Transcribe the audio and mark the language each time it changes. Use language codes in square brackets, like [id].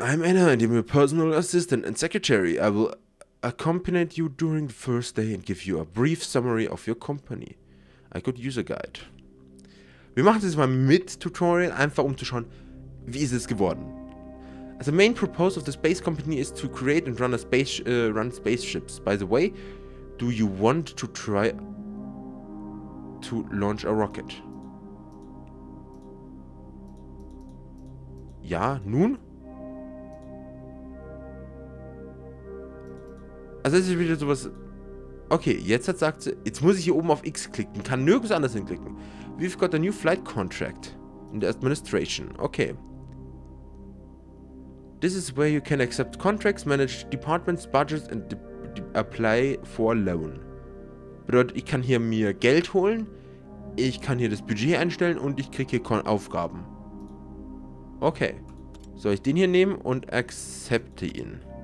[en] I'm Anna and I'm your personal assistant and secretary. I will accompany you during the first day and give you a brief summary of your company. I could use a guide. [de] Wir machen das mal mit Tutorial, einfach um zu schauen, wie ist es geworden. [en] Also main purpose of the space company is to create and run spaceships. By the way, do you want to try to launch a rocket? [de] Ja, nun? Also es ist wieder sowas... Okay, jetzt hat sagt sie... Jetzt muss ich hier oben auf X klicken. Kann nirgends anders hinklicken. [en] We've got a new flight contract in the administration. Okay. This is where you can accept contracts, manage departments, budgets and apply for loan. [de] Bedeutet, ich kann hier mir Geld holen, ich kann hier das Budget einstellen und ich kriege hier Aufgaben. Okay. Soll ich den hier nehmen und accepte ihn?